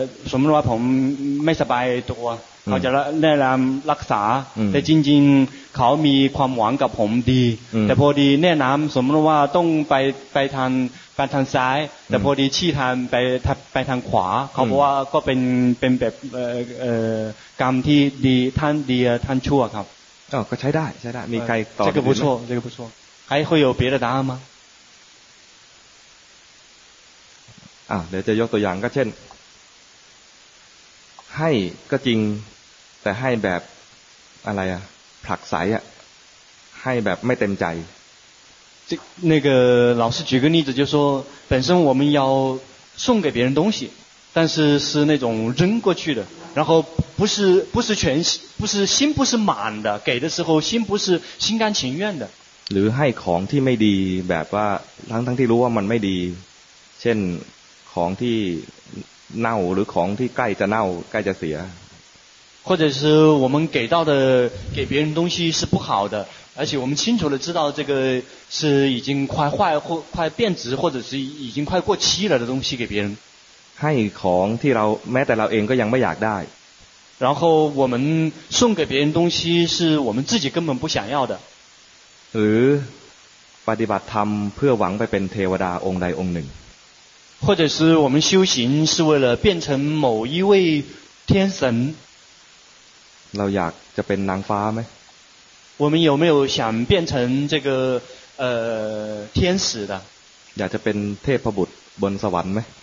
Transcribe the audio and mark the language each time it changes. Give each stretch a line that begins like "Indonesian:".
Thai: สมมติว่าผมไม่สบายตัวเขาจะแนะนำรักษาแต่จริงๆเขามีความหวังกับผมดีแต่พอดีแนะนำสมมติว่าต้องไปทางซ้ายแต่พอดีชี้ทางไปทางขวาเขาบอกว่าก็เป็นแบบกรรมที่ดีท่านดีท่านชั่วครับ ก็ใช้ได้ใช้ได้มีใครตอบ
Chinese: 这个不错这个不错还会有别的答案吗
Thai: เดี๋ยวจะยกตัวอย่างก็เช่นให้ก็จริงแต่ให้แบบอะไรอ่ะผลักใสอ่ะให้แบบไม่เต็มใจ
Chinese: 那个老师举个例子就说本身我们要送给别人东西但是是那种扔过去的然后不是全不是心不是满的给的时候心不是心甘情愿的
Thai: หรือให้ของที่ไม่ดีแบบว่าทั้งที่รู้ว่ามันไม่ดีเช่นของที่เน่าหรือของที่ใกล้จะเน่าใกล้จะเสีย
Chinese: 或者是我们给到的给别人东西是不好的而且我们清楚地知道这个是已经快坏或快变质或者是已经快过期了的东西给别人
Thai: ให้ของที่เราแม้แต่เราเองก็ยังไม่อยากได้
Chinese: 然后我们送给别人东西是我们自己根本不想要的
Thai: หรือปฏิบัติธรรมเพื่อหวังไปเป็นเทวดาองค์ใดองค์หนึ่ง
Chinese: 或者是我们修行是为了变成某一位天神
Thai: เราอยากจะเป็นนางฟ้าไหม
Chinese: 我们有没有想变成这个天使的
Thai: อยากจะเป็นเทพบุตรบนสวรรค์ไหม